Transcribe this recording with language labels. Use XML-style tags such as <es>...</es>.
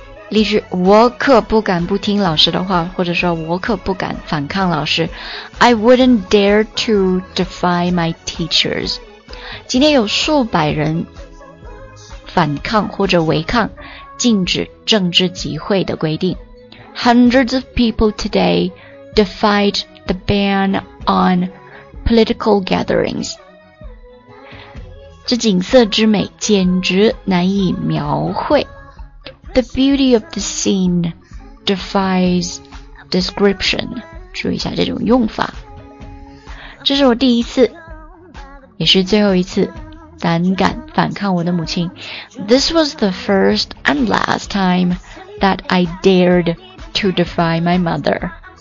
<zh>例句，我可不敢不听老师的话，或者说我可不敢反抗老师。</zh> <en>I wouldn't dare to defy my teachers.</en> <zh>今天有数百人反抗或者违抗禁止政治集会的规定。</zh> <en>Hundreds of people today defied the ban on political gatherings.</en> <zh>这景色之美简直难以描绘。</zh> <en>The beauty of the scene defies description.</en> <zh>注意一下这种用法。这是我第一次，也是最后一次，胆敢反抗我的母亲。</zh> <en>This was the first and last time that I dared to defy my mother.</en>